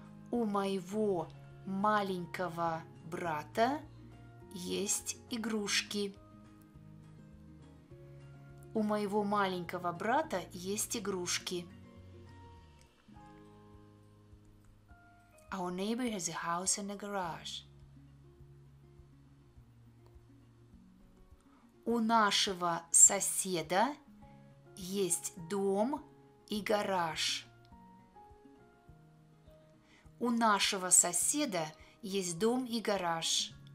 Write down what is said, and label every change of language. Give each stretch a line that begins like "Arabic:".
Russian: У моего маленького брата есть игрушки. У моего маленького брата есть игрушки.
English: Our neighbor has a house and a garage.
Russian: У нашего соседа есть дом и гараж. У нашего соседа есть дом и гараж.